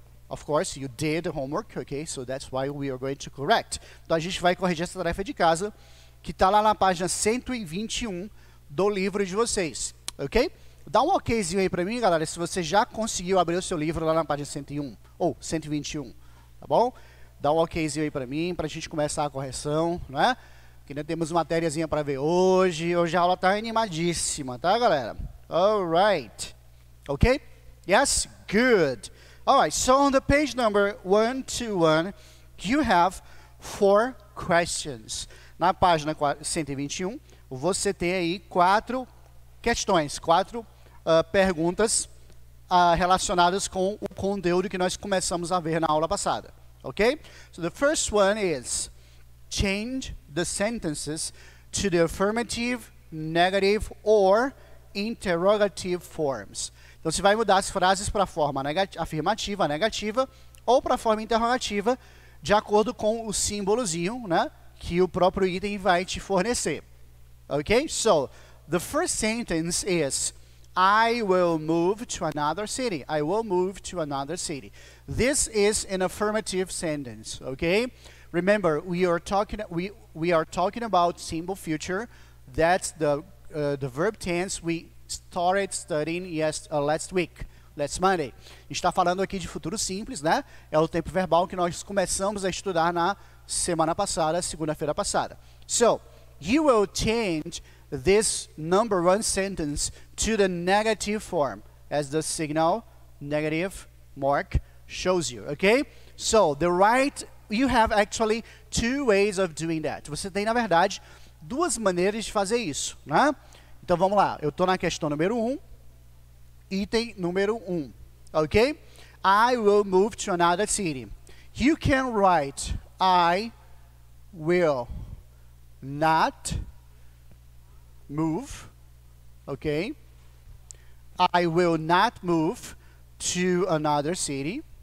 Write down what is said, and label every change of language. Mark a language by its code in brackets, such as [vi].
[en] Of course, you did the homework, okay? So that's why we are going to correct. [pt] Então a gente vai corrigir essa tarefa de casa que está lá na página 121 do livro de vocês, ok? Dá um okzinho aí para mim, galera, se você já conseguiu abrir o seu livro lá na página 101 ou 121, tá bom? Dá um okzinho aí para mim para a gente começar a correção, não é? Que ainda temos matériazinha para ver hoje. Hoje a aula está animadíssima, tá, galera? [en] All right, okay, yes, good. All right, so on the page number 121, you have four questions. [pt] Na página 121, você tem aí quatro questões, quatro perguntas relacionadas com o conteúdo que nós começamos a ver na aula passada, okay? [en] So the first one is, change the sentences to the affirmative, negative, or interrogative forms. [pt] Então, você vai mudar as frases para a forma afirmativa, negativa, ou para a forma interrogativa, de acordo com o símbolozinho, né, que o próprio item vai te fornecer. Ok? [en] So, the first sentence is, I will move to another city. I will move to another city. This is an affirmative sentence. Ok? Remember, we are talking about simple future. That's the verb tense we started studying last week. That's Monday. [pt] A gente está falando aqui de futuro simples, né? É o tempo verbal que nós começamos a estudar na semana passada, segunda-feira passada. [en] So, you will change this number one sentence to the negative form, as the signal negative mark shows you, okay? So, the right, you have actually two ways of doing that. [pt] Você tem, na verdade, duas maneiras de fazer isso, né? Então, vamos lá. Eu estou na questão número 1, item número 1, okay? [en] I will move to another city. You can write, I will not move, okay? I will not move to another city.